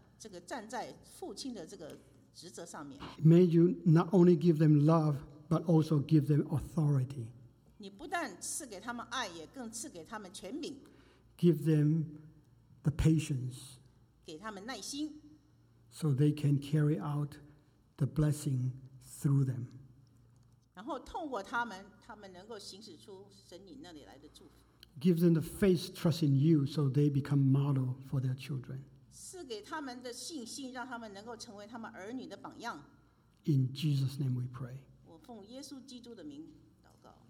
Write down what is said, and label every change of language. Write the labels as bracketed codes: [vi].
[zh] 然后他们可以忠实地站在父亲的这个职责上面。 [en] May you not only give them love, but also give them authority. [zh] 你不但赐给他们爱, 也更赐给他们权柄。 [en] Give them the patience, [zh] 给他们耐心, [en] so they can carry out the blessing through them. [zh] 然后通过他们, 他们能够行使出神你那里来的祝福。 [en] Give them the faith, trust in you, so they become model for their children. [zh] 赐给他们的信心, 让他们能够成为他们儿女的榜样。 [en] In Jesus' name we pray. [zh] 我奉耶稣基督的名祷告。